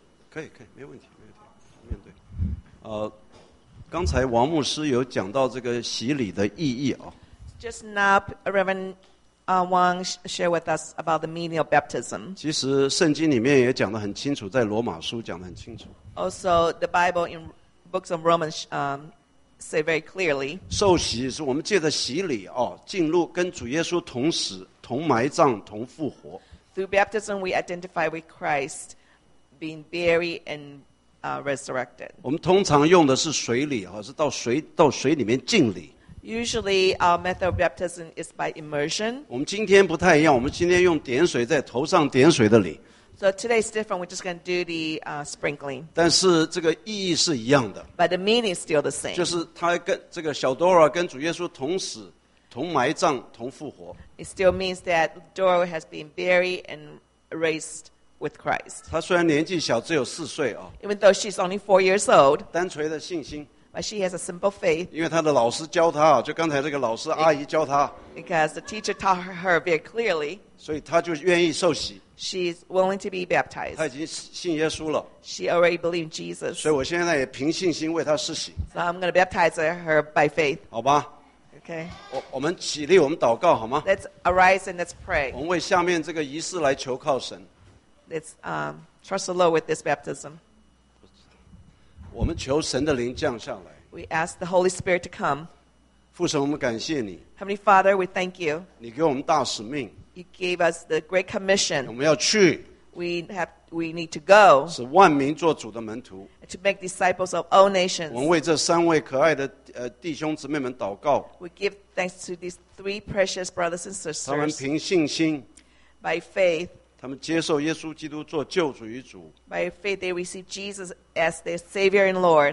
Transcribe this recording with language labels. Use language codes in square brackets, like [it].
[zh] 可以，可以，没问题，没问题。面对，刚才王牧师有讲到这个洗礼的意义啊。 [en] Just now, Reverend Wang shared with us about the meaning of baptism. [zh] 其实圣经里面也讲得很清楚，在罗马书讲得很清楚。 [en] Also, the Bible in books of Romans, say very clearly. [zh] 受洗是我们借着洗礼哦，进入跟主耶稣同死、同埋葬、同复活。 [en] Through baptism, we identify with Christ, being buried and resurrected. [zh] 我们通常用的是水礼哦，是到水里面浸礼。 [en] Usually, our method of baptism is by immersion. [zh] 我们今天不太一样，我们今天用点水在头上点水的礼。 [en] So today is different. We're just going to do the sprinkling. [zh] 但是这个意义是一样的。 [en] But the meaning is still the same. [zh] 就是他跟这个小 Dora 跟主耶稣同死、同埋葬、同复活。 [en] It still means that Dora has been buried and raised with Christ. [zh] 他虽然年纪小，只有四岁啊。 [en] Even though she's only 4 years old. [zh] 单纯的信心。 [en] But she has a simple faith. [zh] 因为他的老师教他，就刚才这个老师阿姨教他。 [en] Because the teacher taught her very clearly. [zh] 所以他就愿意受洗。 [en] She's willing to be baptized. [zh] 她已经信耶稣了。 [en] She already believed Jesus. [zh] 所以我现在也凭信心为她施洗。 [en] So I'm going to baptize her by faith. [zh] 好吧。 [en] Okay. [zh] 我们起立，我们祷告好吗 [en] ？Let's arise and let's pray. [zh] 我们为下面这个仪式来求靠神。 [en] Let's trust the Lord with this baptism. [zh] 我们求神的灵降下来。 [en] We ask the Holy Spirit to come. [zh] 父神，我们感谢你。 [en] Heavenly Father, we thank you. [zh] 你给我们大使命。 [en] You gave us the great commission. [zh] 我们要去。 [en] We need to go. [zh] 使万民做主的门徒。 [en] To make disciples of all nations. [zh] 我们为这三位可爱的弟兄姊妹们祷告。 [en] We give thanks to these three precious brothers and sisters. [zh] 他们凭信心。 [en] By faith. [zh] 他们接受耶稣基督做救主与主。 [en] By faith they receive Jesus as their Savior and Lord.